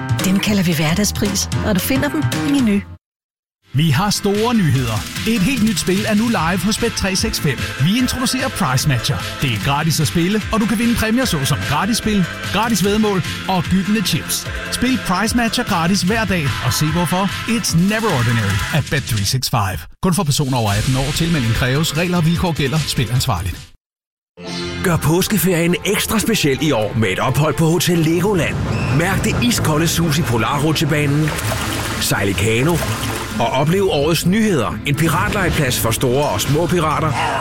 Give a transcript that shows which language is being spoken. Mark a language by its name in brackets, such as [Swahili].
[Danish] Dem kalder vi hverdagspris, og du finder dem i Meny. Vi har store nyheder. Et helt nyt spil er nu live hos Bet365. Vi introducerer Price Matcher. Det er gratis at spille, og du kan vinde præmier såsom gratis spil, gratis væddemål og gyldne chips. Spil Price Matcher gratis hver dag og se hvorfor. [English] It's never ordinary at Bet365. [Danish] Kun for personer over 18 år. Tilmelding kræves. Regler og vilkår gælder. Spil ansvarligt. Gør påskeferien ekstra speciel i år med et ophold på Hotel Legoland. Mærk det iskolde sus i polarrutsjebanen. Sejl i kano. Og oplev årets nyheder. En piratlejeplads for store og små pirater.